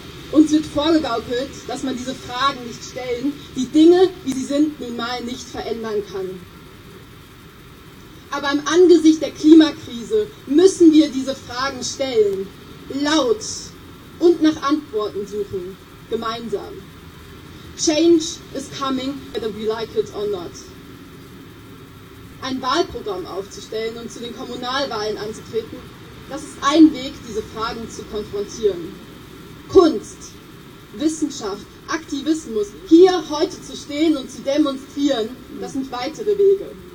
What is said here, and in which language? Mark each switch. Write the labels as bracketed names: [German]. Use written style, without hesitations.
[German] Uns wird vorgegaukelt, dass man diese Fragen nicht stellen, die Dinge, wie sie sind, nun mal nicht verändern kann. Aber im Angesicht der Klimakrise müssen wir diese Fragen stellen, laut und nach Antworten suchen, gemeinsam. [English] Change is coming, whether we like it or not. [German] Ein Wahlprogramm aufzustellen und zu den Kommunalwahlen anzutreten, das ist ein Weg, diese Fragen zu konfrontieren. Kunst, Wissenschaft, Aktivismus, hier heute zu stehen und zu demonstrieren, das sind weitere Wege.